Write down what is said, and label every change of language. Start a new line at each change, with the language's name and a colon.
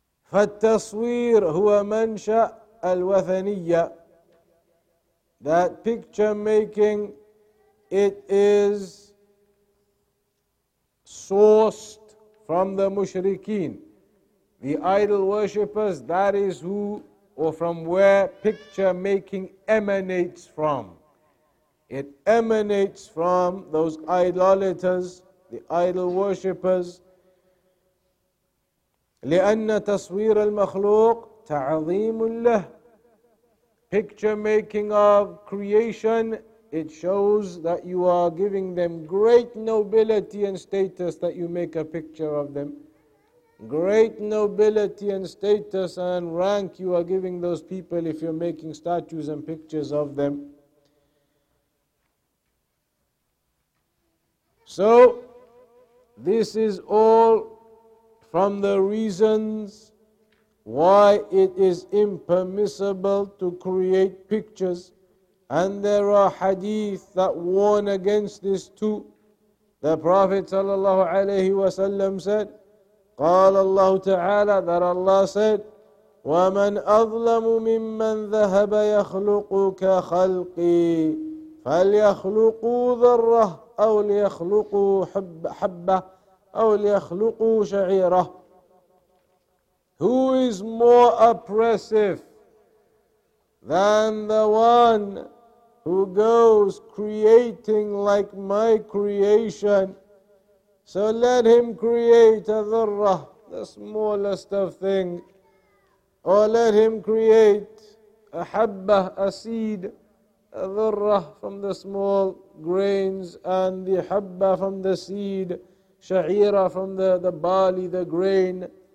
Arabic: فالتصوير هو منشأ الوثنية,
English: that picture making, it is sourced from the mushrikeen, the idol worshippers. That is who, or from where, picture making emanates from. It emanates from those idolaters, the idol worshippers.
Arabic: لأن تصوير المخلوق تعظيم له.
English: Picture making of creation, it shows that you are giving them great nobility and status, that you make a picture of them. Great nobility and status and rank you are giving those people if you're making statues and pictures of them. So, this is all from the reasons why it is impermissible to create pictures. And there are hadith that warn against this too. The Prophet sallallahu alayhi wa sallam said,
Arabic: قال الله تعالى,
English: that Allah said,
Arabic: ومن أظلم ممن ذهب يخلق كخلقي فليخلقوا ذرة أو ليخلقوا حبة أو ليخلقوا شعيرة.
English: Who is more oppressive than the one who goes creating like my creation? So let him create a dhurra, the smallest of things, or let him create a habba, a seed, a dhurra from the small grains, and the habba from the seed, sha'ira from the barley, the grain.